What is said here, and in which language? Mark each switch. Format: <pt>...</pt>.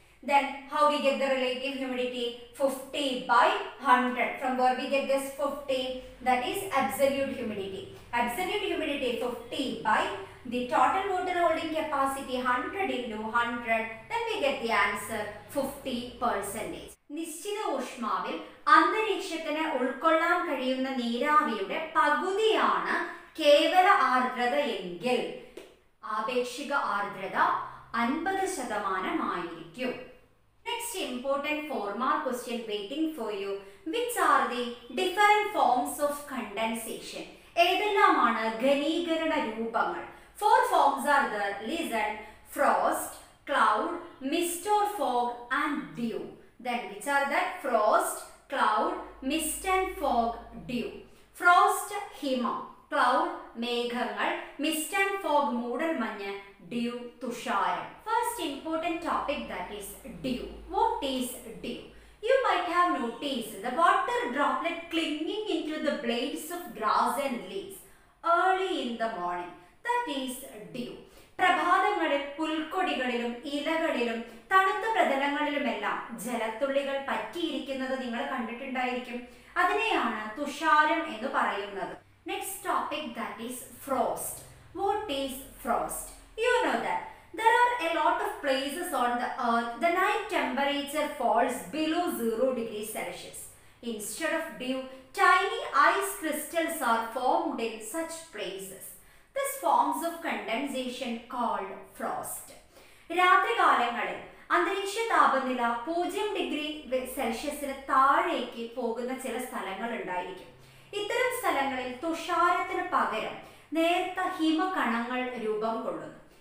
<en>Then how we get the relative humidity? 50 by 100. From where we get this 50? That is absolute humidity. Absolute humidity 50 by the total water holding capacity 100 into 100. Then we get the answer 50%.</en> <ml>നിശ്ചിത ഊഷ്മാവിൽ അന്തരീക്ഷത്തിന് ഉൾക്കൊള്ളാൻ കഴിയുന്ന നീരാവിയുടെ പകുതിയാണ് കേവല ആർദ്രത എങ്കിൽ ആപേക്ഷിക ആർദ്രത 50%.</ml> <en>Next important four mark question waiting for you. Which are the different forms of condensation?</en> <ml>ഏതെല്ലാമാണ് ഘനീകരണ രൂപങ്ങൾ?</ml> <en>Four forms are there listen, frost, cloud, mist or fog and dew. Then which are that? Frost, cloud, mist and fog, dew. Frost, hima, cloud, meghangal, mist and fog, moodal manya, dew, tushayam. First important topic, that is dew. What is dew? You might have noticed the water droplet clinging into the blades of grass and leaves. A early in the morning. That is dew.</en> <ml>പ്രഭാതങ്ങളിൽ പുൽക്കൊടികളിലും ഇലകളിലും തണുത്ത പ്രതലങ്ങളിലുമെല്ലാം ജലത്തുള്ളികൾ പറ്റിയിരിക്കുന്നത് നിങ്ങൾ കണ്ടിട്ടുണ്ടായിരിക്കും. അതിനെയാണ് തുഷാരം എന്ന് പറയുന്നത്.</ml> <en>Next topic, that is frost. What is frost? You know that there are a lot of places on the earth the night temperature falls below 0°C. Instead of dew, tiny ice crystals are formed in such places. This forms of condensation called frost.</en> <ml>രാത്രി കാലങ്ങളിൽ അന്തരീക്ഷ താപനില 0°C താഴേക്ക് പോകുന്ന ചില സ്ഥലങ്ങൾ ഉണ്ടായിരിക്കും. ഇത്തരം സ്ഥലങ്ങളിൽ തുഷാരത്തിന് പകരം നേർത്ത ഹിമകണങ്ങൾ രൂപം കൊള്ളുന്നു.</ml>